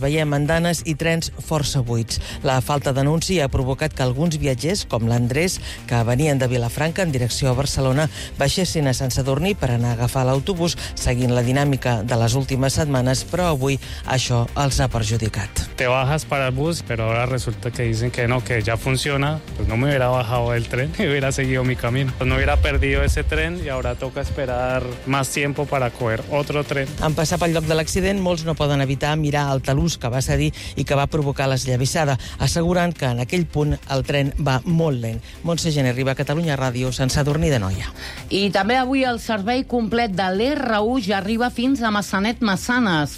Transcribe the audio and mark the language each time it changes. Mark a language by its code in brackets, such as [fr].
[ca] Veiem andanes i trens força buits. La falta d'anunci ha provocat que alguns viatgers, com l'Andrés, que venien de Vilafranca en direcció a Barcelona, baixessin a Sant Sadurní per anar a agafar l'autobús, seguint la dinàmica de les últimes setmanes, però avui això els ha perjudicat. [es] Te bajas para el bus, pero ahora resulta que dicen que no, que ya funciona. Pues no me hubiera bajado el tren y hubiera seguido mi camino. Pues no hubiera perdido ese tren y ahora toca esperar más tiempo para coger otro tren. [ca] En passar pel lloc de l'accident, molts no poden evitar mirar el talús que va cedir i que va provocar l'esllavissada, assegurant que en aquell punt el tren va molt lent. Montse Gené arriba a Catalunya Ràdio, Sant Sadurní d'Anoia. I també avui el servei complet de l'R1 ja arriba fins a Massanet-Massanes.